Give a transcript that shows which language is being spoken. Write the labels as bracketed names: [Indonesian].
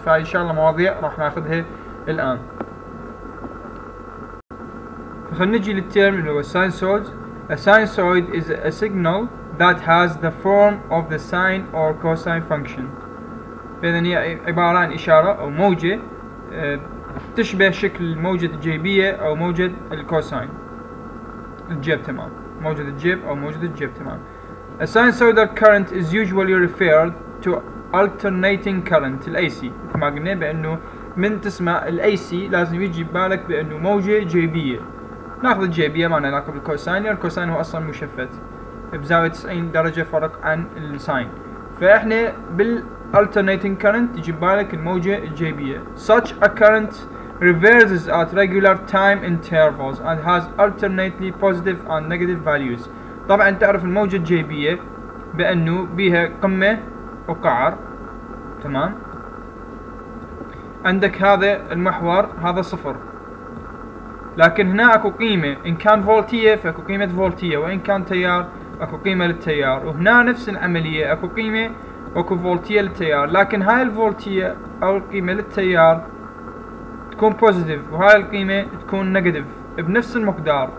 [Arabic] فان شاء الله مواضيع راح ناخذها الان. خلينا نجي للترم اللي هو sinusoid. [English] A sinusoid is a signal that has the form of the sine or cosine function. [Arabic] فإذا هي عبارة عن إشارة أو موجة تشبه شكل موجة الجيبية أو موجة الكوساين الجيب، تمام، موجة الجيب أو موجة الجيب، تمام. [English] A sinusoidal current is usually referred to alternating current الAC. [Arabic] ما قلنا بأنه من تسمع الAC لازم يجي ببالك بأنه موجة جيبية. ناخذ الجيبية ما لها علاقة بالكوساين، الكوساين هو أصلا مشفت بزاوية 90 درجة فرق عن الساين. فإحنا بال [English] alternating current [Arabic] يجيب بالك الموجة الجيبية. [English] Such a current reverses at regular time intervals and has alternately positive and negative values. [Arabic] طبعا تعرف الموجة الجيبية بأنه بها قمة وقعر، تمام، عندك هذا المحور هذا صفر، لكن هنا اكو قيمة، ان كان فولتية فاكو قيمة فولتية، وان كان تيار اكو قيمة للتيار، وهنا نفس العملية اكو قيمة اكو فولتية للتيار، لكن هاي الفولتية او القيمة للتيار تكون بوزيتيف وهاي القيمة تكون نيجاتيف بنفس المقدار.